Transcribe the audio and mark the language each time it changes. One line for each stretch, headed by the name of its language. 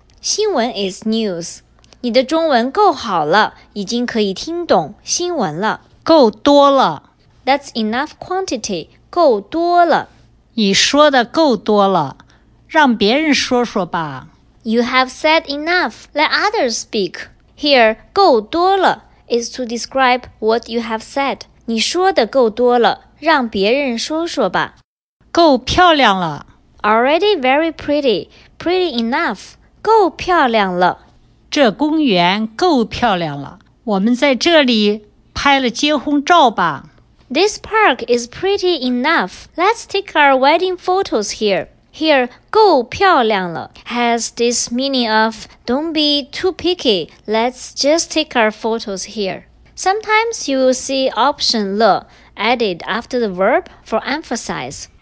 English: 新闻 is news.
Chinese: 你的中文够好了，已经可以听懂新闻了。够多了。
English: That's enough quantity.
Chinese: 够多了。你说的够多了，让别人说说吧。
English: You have said enough. Let others speak. Here,
Chinese: 够多了
English: is to describe what you have said.
Chinese: 你说的够多了，让别人说说吧。够漂亮了。
English: Already very pretty, pretty enough,
Chinese: 够漂亮了。这公园够漂亮了，我们在这里拍了结婚照吧。
English: This park is pretty enough, let's take our wedding photos here. Here,
Chinese: 够漂亮了
English: has this meaning of don't be too picky, let's just take our photos here. Sometimes you will see option 了 added after the verb for emphasis.